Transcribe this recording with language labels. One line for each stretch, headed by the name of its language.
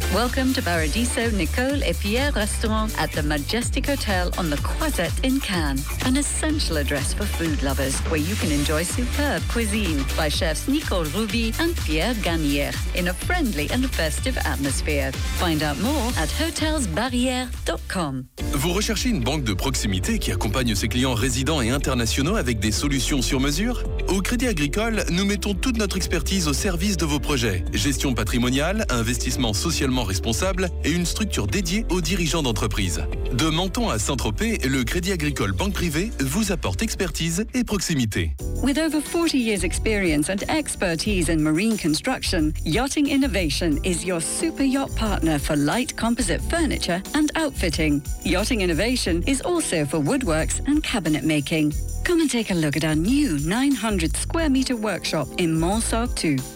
English: Welcome to Paradiso Nicole et Pierre Restaurant at the Majestic Hotel on the Croisette in Cannes, an essential address for food lovers where you can enjoy superb cuisine by chefs Nicole Ruby and Pierre Gagnier in a friendly and festive atmosphere. Find out more at hotelsbarriere.com.
French: Vous recherchez une banque de proximité qui accompagne ses clients résidents et internationaux avec des solutions sur mesure? Au Crédit Agricole, nous mettons toute notre expertise au service de vos projets. Gestion patrimoniale, investissement socialement responsable et une structure dédiée aux dirigeants d'entreprise. De Menton à Saint-Tropez, le Crédit Agricole Banque Privée vous apporte expertise et proximité.
English: With over 40 years experience and expertise in marine construction, Yachting Innovation is your super yacht partner for light composite furniture and outfitting. Yachting Innovation is also for woodworks and cabinet making. Come and take a look at our new 900 square meter workshop in Mont-Sartou.